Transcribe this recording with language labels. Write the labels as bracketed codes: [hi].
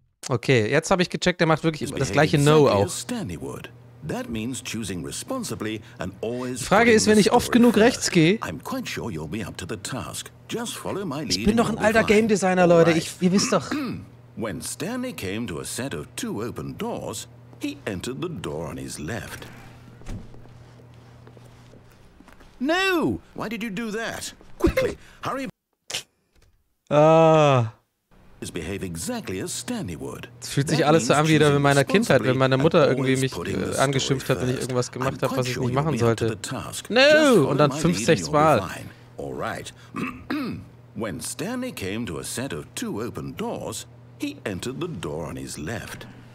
[de] Okay, jetzt habe ich gecheckt, der macht wirklich das gleiche No auch. [en] That means choosing responsibly and always. [de] Die Frage ist, wenn ich oft genug rechts gehe. [en] I'm quite sure you'll be up to the task. Just follow my lead. [de] Ich bin doch ein alter Game Designer, Leute. Ihr wisst doch. [en] When Stanley came to a set of two open doors, he entered the door on his left. No! Why did you do that? Quickly, hurry. Ah. Behave exactly as Stanley would. [de] Es fühlt sich alles so an wie in meiner Kindheit, wenn meine Mutter irgendwie mich angeschimpft hat, wenn ich irgendwas gemacht habe, was ich nicht machen sollte. No! Und dann 5-6 Mal. [en] Alright. When Stanley came to a set of two open doors, he entered the door on his left.